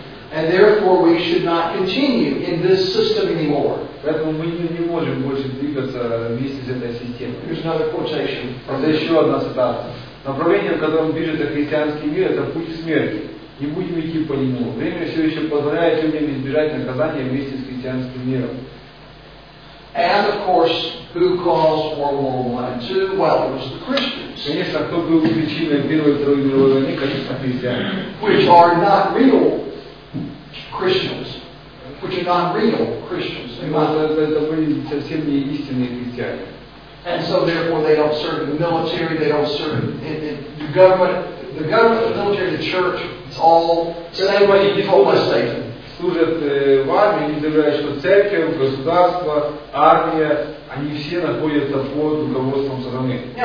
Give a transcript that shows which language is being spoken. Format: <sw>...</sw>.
<en>And therefore we should not continue in this system anymore.</en> <ru>Поэтому мы не можем больше двигаться вместе с этой системой.</ru> <en>Here's another quotation.</en> <ru>Это еще одна цитата. Направление, в котором движется христианский мир, это путь смерти. Не будем идти по нему. Время все еще позволяет людям избежать наказания вместе с христианским миром.</ru> <en>And of course, who caused World War I and II? Well, it was the Christians.</en> <ru>Конечно, кто был причиной Первой и Второй мировой войны, конечно, христиане.</ru> <en>Which are not real Christians. which are non-real Christians.</en> <ru>Это были совсем не истинные христиане.</ru> <en>And so therefore they don't serve in the military, they don't serve in the government, the military, the church, it's all anybody controlled by Satan.</en> <ru>Служат в армии, не забывая, что церковь, государство, армия, они все находятся под руководством страны.</ru>